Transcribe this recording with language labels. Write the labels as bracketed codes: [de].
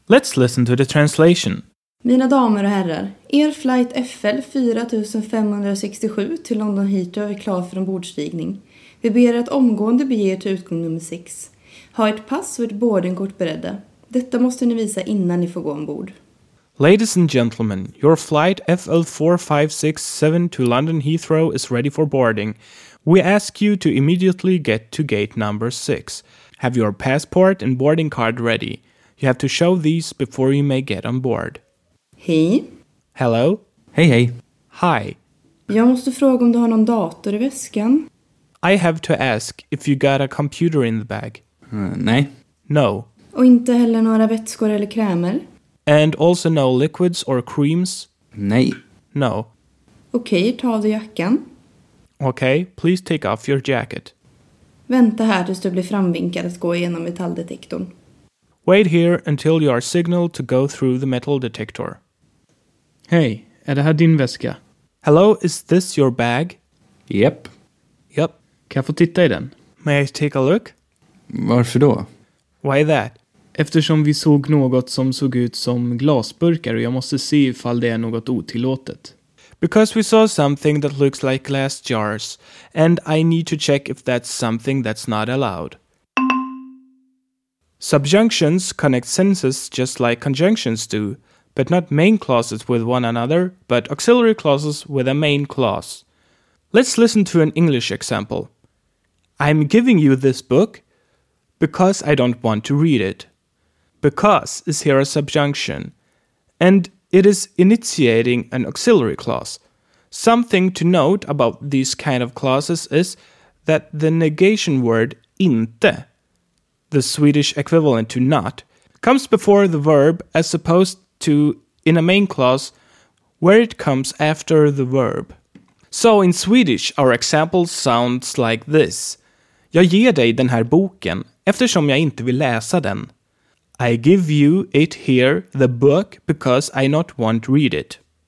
[en] Let's listen to the translation. [sv] Mina damer och herrar, er flight FL4567 till London Heathrow är klar för en bordstigning. Vi ber att omgående bege er till utgång nummer 6. Ha ett pass och ett boardingkort beredda. Detta måste ni visa innan ni får gå ombord. [en] Ladies and gentlemen, your flight FL4567 to London Heathrow is ready for boarding. We ask you to immediately get to gate number 6. Have your passport and boarding card ready. You have to show these before you may get on board. [sv] Hej. [en] Hello. [sv] Hej, hej. [en] Hi. [sv] Jag måste fråga om du har någon dator i väskan. [en] I have to ask if you got a computer in the bag. [sv] Nej. [en] No. [sv] Och inte heller några vätskor eller krämer. [en] And also no liquids or creams. [sv] Nej. [en] No. [sv] Okej, ta av dig jackan. [en] Okay, please take off your jacket. [sv] Vänta här tills du blir framvinkad att gå igenom metalldetektorn. [en] Wait here until you are signaled to go through the metal detector. [sv] Hej, är det här din väska? [en] Hello, is this your bag? Yep. Yep. [sv] Kan jag få titta i den? [en] May I take a look? [sv] Varför då? [en] Why that? [sv] Eftersom vi såg något som såg ut som glasburkar och jag måste se ifall det är något otillåtet. [en] Because we saw something that looks like glass jars, and I need to check if that's something that's not allowed. Subjunctions connect sentences just like conjunctions do, but not main clauses with one another, but auxiliary clauses with a main clause. Let's listen to an English example. I'm giving you this book because I don't want to read it. Because is here a subjunction, and it is initiating an auxiliary clause. Something to note about these kind of clauses is that the negation word inte, the Swedish equivalent to not, comes before the verb as opposed to in a main clause where it comes after the verb. So in Swedish, our example sounds like this. [sv] Jag ger dig den här boken eftersom jag inte vill läsa den. [en] I give you it here, the book, because I not want to read it.